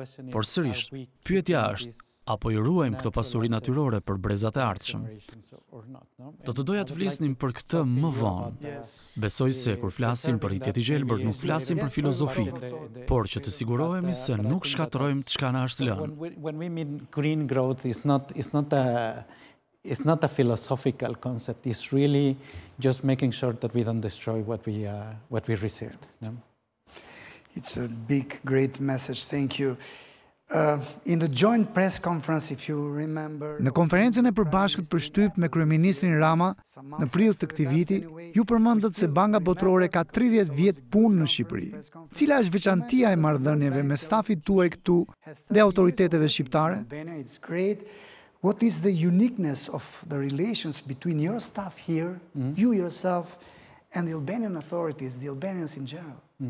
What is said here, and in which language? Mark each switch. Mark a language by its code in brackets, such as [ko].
[sq] Por sërish, pyetja është, apo I ruajmë këto pasuri natyrore për brezat e ardhshëm? Do të doja të flisnim për këtë më vonë. Besoj se kur flasim për rritjet e gjelbër, nuk flasim për filozofi, por që të sigurohemi se nuk shkatërrojmë çka na është lënë. [en] When we mean green growth is not a philosophical concept. It's really just making sure that we don't destroy what we received. It's a big, great message. Thank you. In the joint press conference, if you remember... [sq] Në konferencën e përbashkët për shtyp me kryeministrin Rama, në prill të këtij viti, ju përmendët se Banka Botërore ka 30 vjet punë në Shqipëri. Cila është veçantia e marrëdhënieve me stafin tuaj këtu dhe autoriteteve shqiptare? [en] It's great. What is the uniqueness of the relations between your staff here, you yourself, and the Albanian authorities, the Albanians in general?